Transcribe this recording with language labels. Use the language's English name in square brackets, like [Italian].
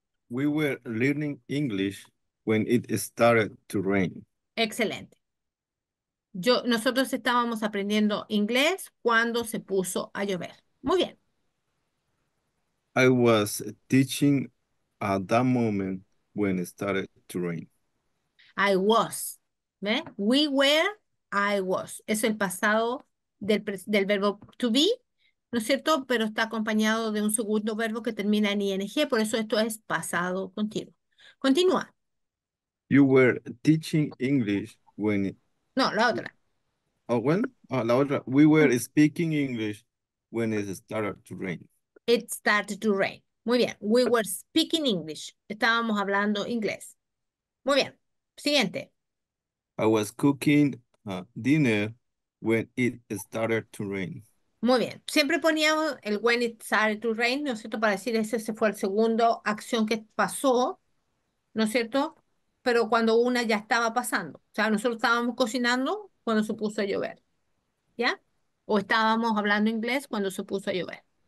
[English] We were learning English when it started to rain. [Spanish] Excelente. Nosotros estábamos aprendiendo inglés cuando se puso a llover. Muy bien. [English] I was teaching at that moment when it started to rain. I was. ¿Ve? We were, I was. [Spanish] Es el pasado del verbo to be, ¿no es cierto? Pero está acompañado de un segundo verbo que termina en ing, por eso esto es pasado continuo. Continúa. [English] You were teaching English when. [Spanish] No, la otra. Oh, when? Oh, la otra. [English] We were speaking English when it started to rain. It started to rain. [Spanish] Muy bien. [English] We were speaking English. [Spanish] Estábamos hablando inglés. Muy bien. Siguiente. [English] I was cooking dinner when it started to rain. [Spanish] Muy bien. Siempre poníamos el [English] when it started to rain, [Spanish] ¿no es cierto? Para decir ese fue el segundo acción que pasó, ¿no es cierto? Pero cuando una ya estaba pasando. O sea, nosotros estábamos cocinando cuando se puso a llover. ¿Ya? O estábamos hablando inglés cuando se puso a llover.